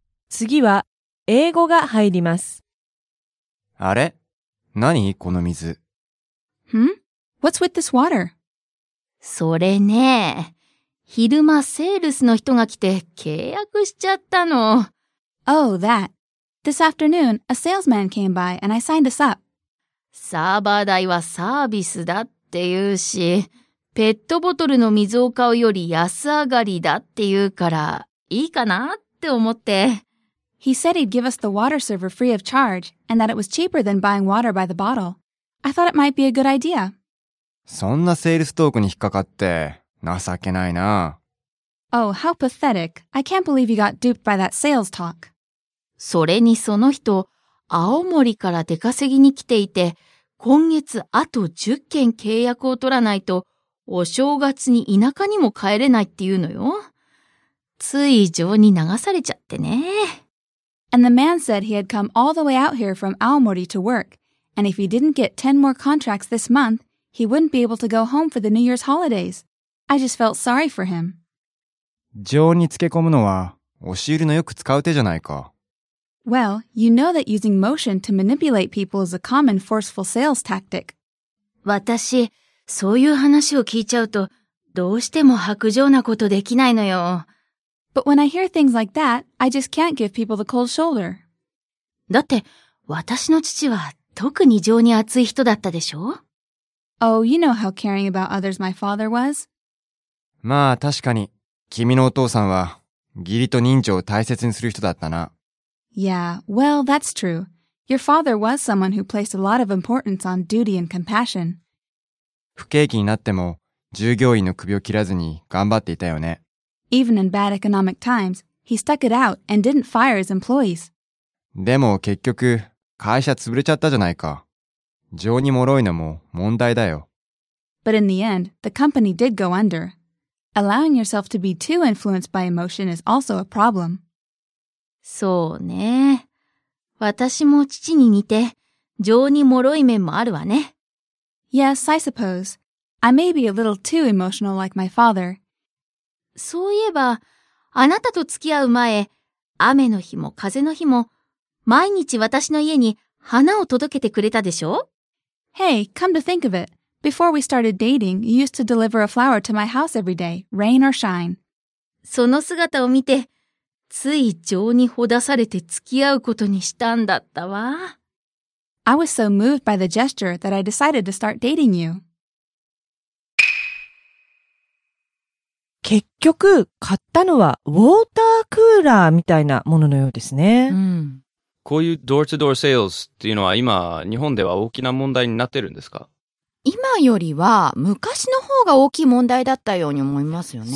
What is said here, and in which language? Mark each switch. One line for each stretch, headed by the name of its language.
Japanese: 次は、英語が入ります。あれ?何この水。
English: ん ?What's with this water?
Japanese: それね、昼間セールスの人が来て契約しちゃったの。
English: Oh, that. This afternoon, a salesman came by and I signed this up.
Japanese: サーバー代はサービスだって。って言うし、ペットボトルの水を買うより安上がりだって言うからいいかなって思って。
English: He said he'd give us the water server free of charge and that it was cheaper than buying water by the bottle. I thought it might be a good idea.
Japanese: そんなセールストークに引っかかって情けないな。
English: Oh, how pathetic. I can't believe you got duped by that sales talk.
Japanese: それにその人、青森から出稼ぎに来ていて、今月あと10件契約を取らないと、お正月に田舎にも帰れないっていうのよ。つい情に流されちゃってね。
English: And the man said he had come all the way out here from Aomori to work, and if he didn't get 10 more contracts this month, he wouldn't be able to go home for the New Year's holidays. I just felt sorry for him.
Japanese: 情につけ込むのは押し売りのよく使う手じゃないか。
English: Well, you know that using motion to manipulate people is a common forceful sales tactic.
Japanese: 私、そういう話を聞いちゃうと、どうしても薄情なことできないのよ。
English: But when I hear things like that, I just can't give people the cold shoulder.
Japanese: だって、私の父は特に情に熱い人だったでしょ?
English: Oh, you know how caring about others my father was.
Japanese: まあ確かに、君のお父さんは義理と人情を大切にする人だったな。
English: Yeah, well, that's true. Your father was someone who placed a lot of importance on duty and compassion.
Japanese: 不景気になっても従業員の首を切らずに頑張っていたよね。
English: Even in bad economic times, he stuck it out and didn't fire his employees.
Japanese: でも結局、会社潰れちゃったじゃないか。情に脆いのも問題だよ。
English: But in the end, the company did go under. Allowing yourself to be too influenced by emotion is also a problem.
Japanese: そうね。私も父に似て、情に脆い面もあるわね。
English: Yes, I suppose. I may be a little too emotional like my father.
Japanese: そういえば、あなたと付き合う前、雨の日も風の日も、毎日私の家に花を届けてくれたでしょ?
English: Hey, come to think of it. Before we started dating, you used to deliver a flower to my house every day, rain or shine.
Japanese: その姿を見て、つい情にほだされて付き合うことにしたんだったわ。
English: I was so moved by the gesture that I decided to start dating you.
Japanese: 結局、買ったのはウォータークーラーみたいなもののようですね。うん、こういうドーツドーセールスっていうのは今、日本では大きな問題になってるんですか? 今よりは昔の方が大きい問題だったように思いますよね。